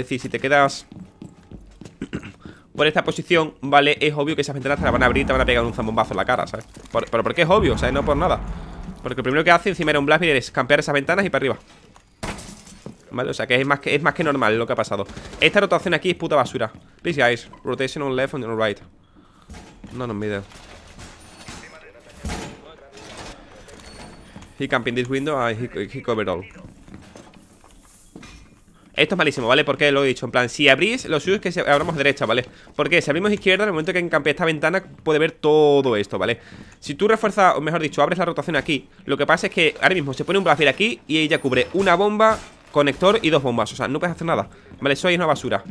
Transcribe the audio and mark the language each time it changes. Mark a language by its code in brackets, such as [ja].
[es] Es decir, si te quedas por esta posición, ¿vale? Es obvio que esas ventanas te las van a abrir y te van a pegar un zambombazo en la cara, ¿sabes? Pero ¿por qué es obvio? ¿Sabes? No por nada. Porque lo primero que hace encima era un blaster es campear esas ventanas y para arriba. ¿Vale? O sea, que es más que normal lo que ha pasado. Esta rotación aquí es puta basura. [en] Please, guys. Rotation on left and on right. [es] No nos miden. [en] He camping this window and he cover all. [es] Esto es malísimo, ¿vale? Porque lo he dicho. En plan, si abrís, lo suyo es que abramos derecha, ¿vale? Porque si abrimos izquierda, en el momento que encampe esta ventana, puede ver todo esto, ¿vale? Si tú refuerzas, o mejor dicho, abres la rotación aquí, lo que pasa es que ahora mismo se pone un blaster aquí y ella cubre una bomba, conector y dos bombas. O sea, no puedes hacer nada. Vale, eso ahí es una basura.